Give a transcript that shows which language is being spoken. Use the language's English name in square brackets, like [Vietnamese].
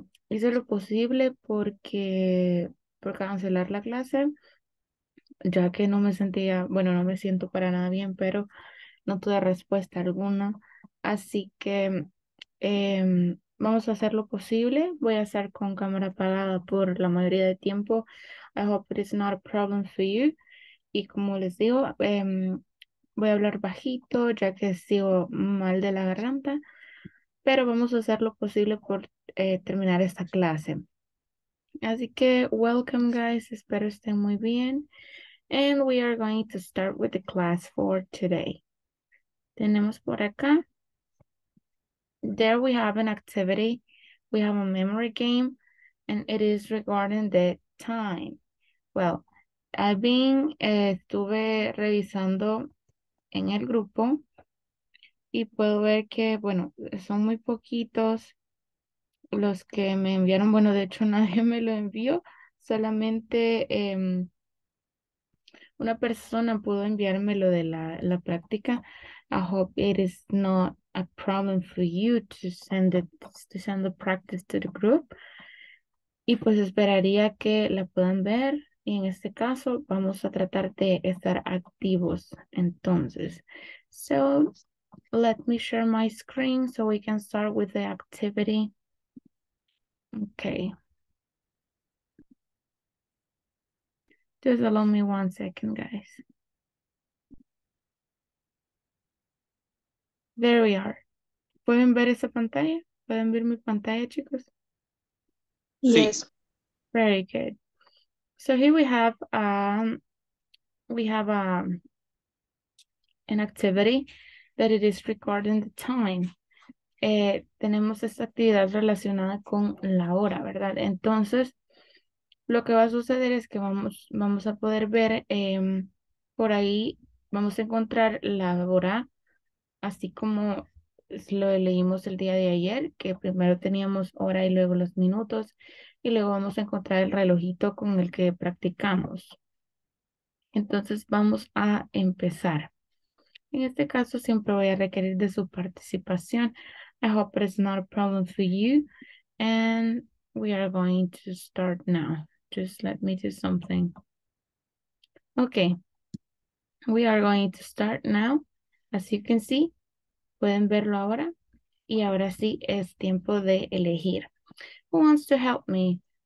[Spanish] Hice lo posible porque por cancelar la clase, ya que no me sentía, bueno, no me siento para nada bien, pero no tuve respuesta alguna. Así que vamos a hacer lo posible. Voy a estar con cámara apagada por la mayoría de tiempo. [English] I hope it is not a problem for you. [Spanish] Y como les digo, voy a hablar bajito, ya que sigo mal de la garganta, pero vamos a hacer lo posible por terminar esta clase. Así que, [English] welcome guys, [Spanish] espero estén muy bien. [English] And we are going to start with the class for today. [Spanish] Tenemos por acá. [English] There we have an activity. We have a memory game, and it is regarding the time. [Spanish] Well, estuve revisando en el grupo y puedo ver que, bueno, son muy poquitos los que me enviaron. Bueno, de hecho, nadie me lo envió. Solamente una persona pudo enviarme lo de la práctica. [English] I hope it is not a problem for you to send the practice to the group. [Spanish] Y pues esperaría que la puedan ver. Y en este caso vamos a tratar de estar activos entonces. [English] So let me share my screen so we can start with the activity. Okay. Just allow me one second, guys. There we are. [Spanish] ¿Pueden ver esa pantalla? ¿Pueden ver mi pantalla, chicos? Sí. [English] Yes. Very good. So here we have an activity that it is regarding the time. [Spanish] Tenemos esta actividad relacionada con la hora, ¿verdad? Entonces, lo que va a suceder es que vamos a poder ver por ahí, vamos a encontrar la hora, así como lo leímos el día de ayer, que primero teníamos hora y luego los minutos. Y luego vamos a encontrar el relojito con el que practicamos. Entonces vamos a empezar. En este caso siempre voy a requerir de su participación. [English] I hope it's not a problem for you. And we are going to start now. Just let me do something. Okay. We are going to start now. As you can see, [Spanish] pueden verlo ahora. Y ahora sí es tiempo de elegir. [English] Who wants to help me?